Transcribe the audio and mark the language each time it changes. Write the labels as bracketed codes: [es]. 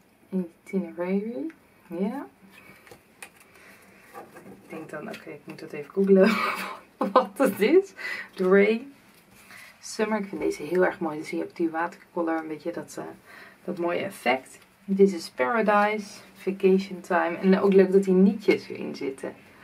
[en] Itinerary, ja. Yeah. [nl] Ik denk dan, oké, ik moet dat even googlen wat het is. Dray. Summer, ik vind deze heel erg mooi. Dan zie je ook die watercolor, een beetje dat mooie effect. [en] This is Paradise, Vacation Time. [nl] En ook leuk dat die nietjes erin zitten.